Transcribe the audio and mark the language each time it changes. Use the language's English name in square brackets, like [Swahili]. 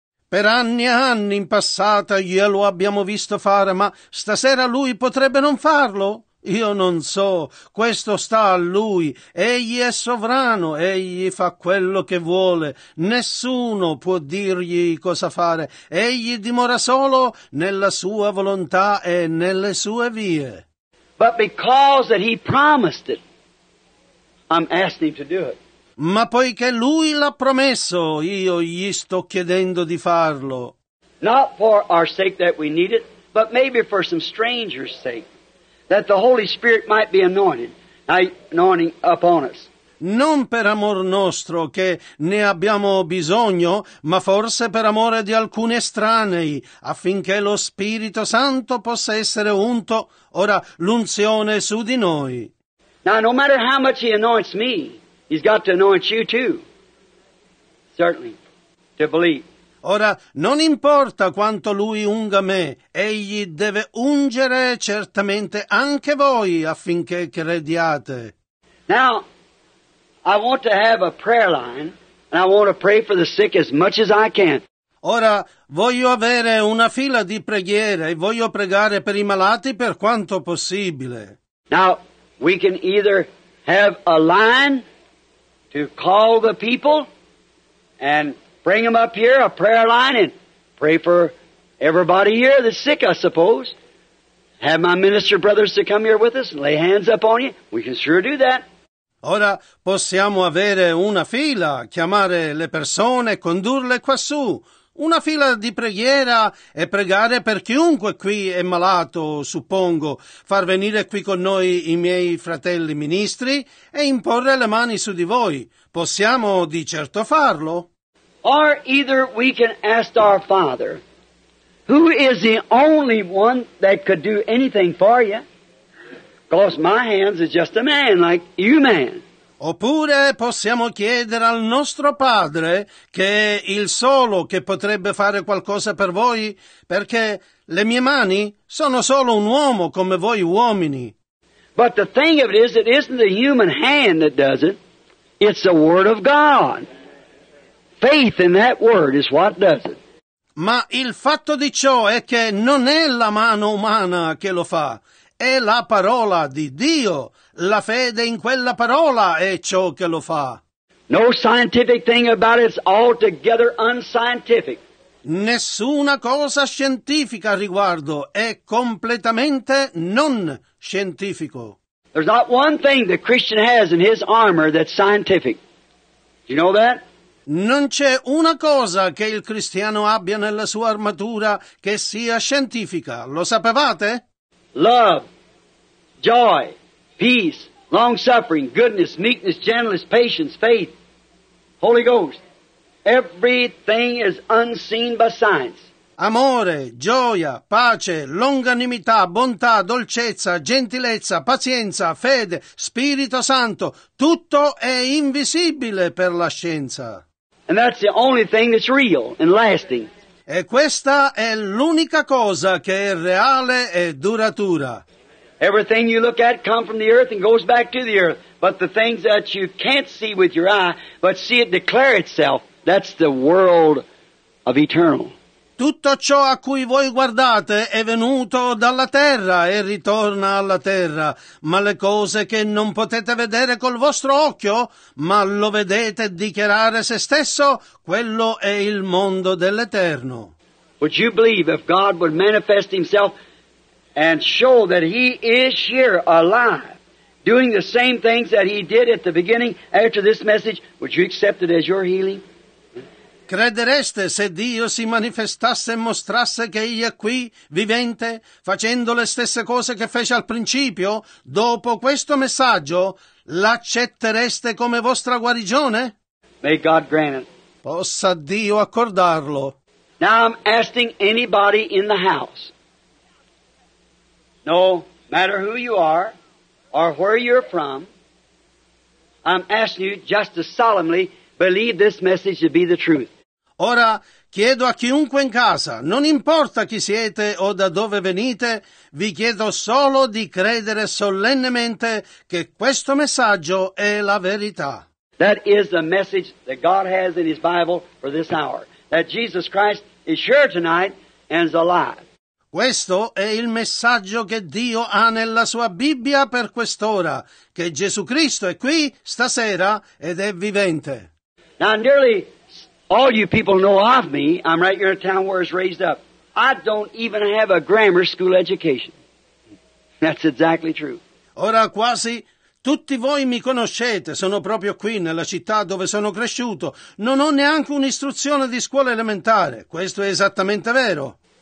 [Italian] Per anni e anni in passato glielo abbiamo visto fare, ma stasera lui potrebbe non farlo? Io non so, questo sta a lui, egli è sovrano, egli fa quello che vuole, nessuno può dirgli cosa fare, egli dimora solo nella sua volontà e nelle sue vie. [English] But because that he promised it, I'm asking him to do it. [Italian] Ma poiché lui l'ha promesso, io gli sto chiedendo di farlo. [English] Not for our sake that we need it, but maybe for some stranger's sake, that the Holy Spirit might be anointed, anointing upon us. [Italian] Non per amor nostro che ne abbiamo bisogno, ma forse per amore di alcuni estranei, affinché lo Spirito Santo possa essere unto, ora l'unzione su di noi. [English] Now, no matter how much he anoints me, he's got to anoint you too, certainly, to believe. [Italian] Ora, non importa quanto lui unga me, egli deve ungere certamente anche voi affinché crediate. [English] Now, I want to have a prayer line, and I want to pray for the sick as much as I can. [Italian] Ora, voglio avere una fila di preghiere e voglio pregare per i malati per quanto possibile. [English] Now, we can either have a line to call the people and bring them up here, a prayer line, and pray for everybody here that's sick, I suppose. Have my minister brothers to come here with us and lay hands up on you. We can sure do that. [Italian] Ora possiamo avere una fila, chiamare le persone e condurle quassù. Una fila di preghiera e pregare per chiunque qui è malato, suppongo, far venire qui con noi i miei fratelli ministri e imporre le mani su di voi. Possiamo di certo farlo. [English] Or either we can ask our Father, who is the only one that could do anything for you? Because my hands is just a man, like you man. [Italian] Oppure possiamo chiedere al nostro Padre, che è il solo che potrebbe fare qualcosa per voi, perché le mie mani sono solo un uomo come voi uomini. [English] But the thing of it isn't the human hand that does it, it's the Word of God. Faith in that Word is what does it. [Italian] Ma il fatto di ciò è che non è la mano umana che lo fa, è la parola di Dio. La fede in quella parola è ciò che lo fa. [English] No scientific thing about it is altogether unscientific. [Italian] Nessuna cosa scientifica a riguardo è completamente non scientifico. [English] There's not one thing the Christian has in his armor that's scientific. Do you know that? [Italian] Non c'è una cosa che il cristiano abbia nella sua armatura che sia scientifica. Lo sapevate? [English] Love, joy, peace, long-suffering, goodness, meekness, gentleness, patience, faith, Holy Ghost. Everything is unseen by science. [Italian] Amore, gioia, pace, longanimità, bontà, dolcezza, gentilezza, pazienza, fede, Spirito Santo. Tutto è invisibile per la scienza. [English] And that's the only thing that's real and lasting. [Italian] E questa è l'unica cosa che è reale e duratura. [English] Everything you look at comes from the earth and goes back to the earth. But the things that you can't see with your eye, but see it declare itself, that's the world of eternal. [Italian] Tutto ciò a cui voi guardate è venuto dalla terra e ritorna alla terra, ma le cose che non potete vedere col vostro occhio, ma lo vedete dichiarare se stesso, quello è il mondo dell'Eterno. [English] Would you believe if God would manifest himself and show that he is here alive, doing the same things that he did at the beginning after this message, would you accept it as your healing? [Italian] Credereste se Dio si manifestasse e mostrasse che egli è qui, vivente, facendo le stesse cose che fece al principio, dopo questo messaggio, l'accettereste come vostra guarigione? [English] May God grant it. [Italian] Possa Dio accordarlo. [English] Now I'm asking anybody in the house, no matter who you are or where you're from, I'm asking you just to solemnly believe this message to be the truth. [Italian] Ora chiedo a chiunque in casa, non importa chi siete o da dove venite, vi chiedo solo di credere solennemente che questo messaggio è la verità. [English] That is the message that God has in his Bible for this hour, that Jesus Christ is here tonight and is alive. [Italian] Questo è il messaggio che Dio ha nella sua Bibbia per quest'ora, che Gesù Cristo è qui stasera ed è vivente. [English] Now nearly all you people know of me, I'm right here in a town where I was raised up. I don't even have a grammar school education. That's exactly true. [Italian] Ora quasi tutti voi mi conoscete, sono proprio qui nella città dove sono cresciuto. Non ho neanche un'istruzione di scuola elementare. Questo è esattamente vero.